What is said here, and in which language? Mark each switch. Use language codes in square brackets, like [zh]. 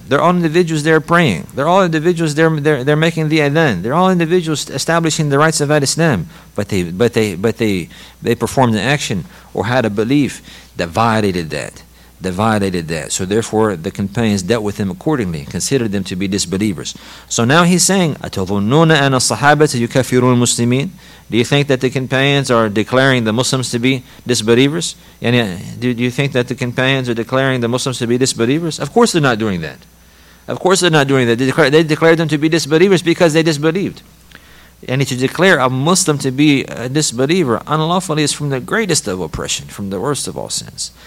[en] They're all individuals, they're praying. They're all individuals, they're making the adhan. They're all individuals establishing the rights of al-Islam. But they performed an action or had a belief that violated that. So therefore, the companions dealt with them accordingly, considered them to be disbelievers. So now he's saying, [ar] أَتَظُنُّونَ أَنَ الصَّحَابَةَ يُكَفِّرُونَ الْمُسْلِمِينَ. [en] Do you think that the companions are declaring the Muslims to be disbelievers? And do you think that the companions are declaring the Muslims to be disbelievers? Of course they're not doing that. They declared them to be disbelievers because they disbelieved. And to declare a Muslim to be a disbeliever unlawfully is from the greatest of oppression, from the worst of all sins.